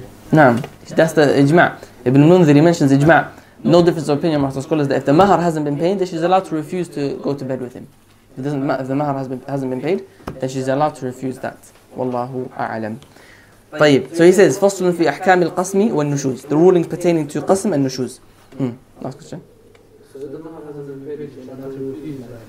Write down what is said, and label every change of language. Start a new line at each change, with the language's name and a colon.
English: Naam, that's the ijma'. Ibn Munzir, he mentions ijma'. No difference of opinion amongst the scholars that if the mahar hasn't been paid, then she's allowed to refuse to go to bed with him. If it doesn't matter, if the mahar hasn't been paid, then she's allowed to refuse that.
Arabic: Wallahu a'alam. طيب.
English: So he says,
Arabic: فصل في أحكام القسم والنشوز.
English: The ruling pertaining to qasm and nushuz. Last question. So the mahar hasn't been paid, she's allowed to refuse.